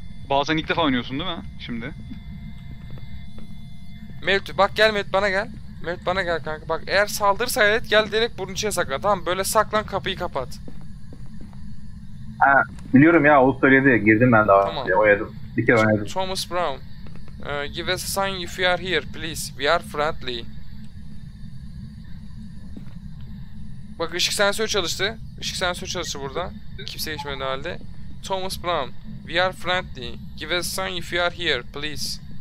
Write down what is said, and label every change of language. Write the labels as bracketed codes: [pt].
[tr] Bazen ilk defa oynuyorsun değil mi şimdi? Melt, bak gel Melt, bana gel. Melt bana gel kanka. Bak eğer saldırırsa evet gel direkt bunun içine saklan. Tamam böyle saklan, kapıyı kapat. Ha, biliyorum ya, o söyledi. Girdim ben daha önce. Tamam. Oynadım. Bir kere oynadım. [en] Thomas Brown. Give us a sign if you are here, please. We are friendly. [tr] Bak ışık sensörü çalıştı. Işık sensörü çalıştı burada. Kimse geçmedi halde. Thomas Brown. [en] We are friendly. Give us a sign if you are here, please.